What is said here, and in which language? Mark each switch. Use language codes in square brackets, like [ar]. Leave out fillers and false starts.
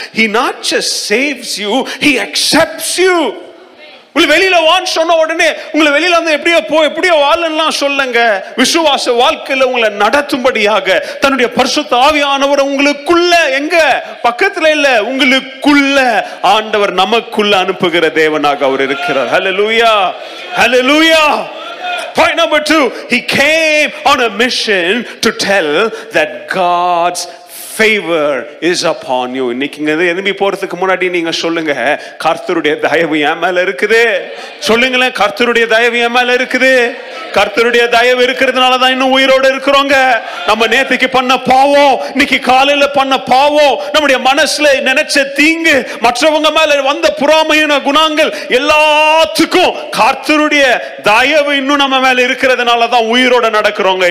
[en] He not just saves you, he accepts you. [ta] உங்களை வெளியில வான்னு சொன்ன உடனே உங்களை வெளியில வந்து எப்படியோ போ, எப்படியோ வாழலாம் சொல்லுங்க. விசுவாச வாழ்க்கையில உங்களை நடத்தும்படியாக தன்னுடைய பரிசுத்த ஆவியானவர் உங்களுக்குள்ள, எங்க பக்கத்துல இல்ல, உங்களுக்குள்ள ஆண்டவர் நமக்குள்ள அனுப்புகிற தேவனாக அவர் இருக்கிறார். ஹல்லேலூயா, ஹல்லேலூயா. [en] Point number two, he came on a mission to tell that God's favor is upon you. [ta] நீங்க எதுமி போறதுக்கு முன்னாடி நீங்க சொல்லுங்க, கர்த்தருடைய தயவு என் மேல இருக்குது. சொல்லுங்க, கர்த்தருடைய தயவு என் மேல இருக்குது. கர்த்தருடைய தயவு இருக்கிறதுனால தான் இன்னும் உயிரோடு இருக்கிறோங்க. நம்ம நேத்துக்கு பண்ண பாவம், இன்னைக்கு காலையில பண்ண பாவம், நம்முடைய மனசுல நினைச்ச தீங்கு, மற்றவங்க மேல வந்த புறாமையான குணங்கள் எல்லாத்துக்கும் கர்த்தருடைய தயவு இன்னும் நம்ம மேல இருக்கிறதுனால தான் உயிரோட நடக்கிறோங்க.